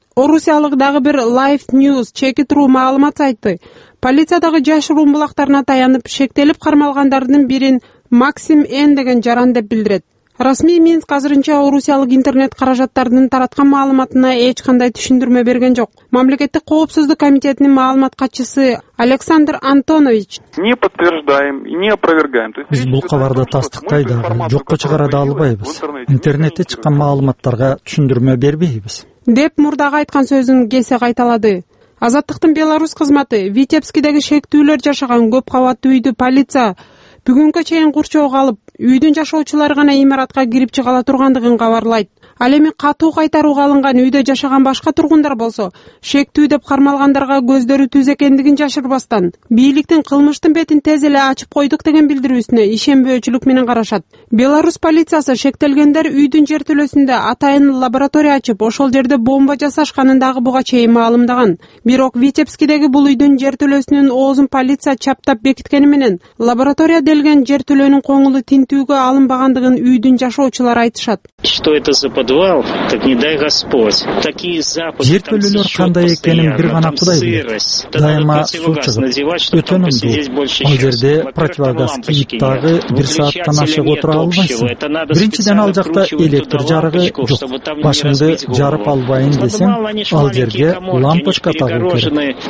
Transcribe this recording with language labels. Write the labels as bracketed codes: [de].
[ky] Орусиялык дагы бир Life News, Чекит.ру маалымат сайты полициядагы жашыруун булактарына таянып шектелип кармалгандардын бирин Максим Н деген жаран деп билдирет. Расмий Минск азырынча орусиялык интернет каражаттарынын тараткан маалыматына эч кандай түшүндүрмө берген жок. Мамлекеттик коопсуздук комитетинин маалымат катчысы Александр Антонович: [ru] Не подтверждаем и не опровергаем. [ky] Биз бул кабарды тастыктай дагы, жокко чыгара да албайбыз. Интернетте чыккан маалыматтарга түшүндүрмө бербейбиз. Деп мурдагы айткан сөзүн кесе кайталады. Азаттыктын Беларусь кызматы Витебскидеги шектүүлөр жашаган көп кабаттуу үйдү полиция бүгүнкө чейин курчоого алып, үйдүн жашоочулары гана имаратка кирип чыга ала тургандыгын кабарлайт. Ал эми катуу кайтарууга алынган үйдө жашаган башка тургундар болсо, шектүү деп кармалгандарга көздөрү түз экендигин жашырбастан, бийликтин кылмыштын бетин тез эле ачып койдук деген билдирүүсүнө ишенбөөчүлүк менен карашат. Беларусь полициясы шектелгендер үйдүн жертөлөсүндө атайын лаборатория ачып, ошол жерде бомба жасашканын дагы буга чейин маалымдаган. Бирок Витебскидеги бул үйдүн жертөлөсүнүн оозун полиция чаптап бекиткени менен, лаборатория делген жертөлөнүн коңулу тинтүүгө алынбагандыгын үйдүн жашоочулары айтышат. [ru] Что это за подвал, так не дай Господь. Такие запахи. [ky] Жертөлөлөр кандай экенин бир гана Кудай билет. Дайыма суу чыгып, өтөнүн бул. Ал жерде противогаз кийип дагы бир сааттан ашык отура албайсың. Биринчиден ал жакта электр жарыгы жок. Башыңды жарып албайын десең, ал жерге лампочка тагуу керек.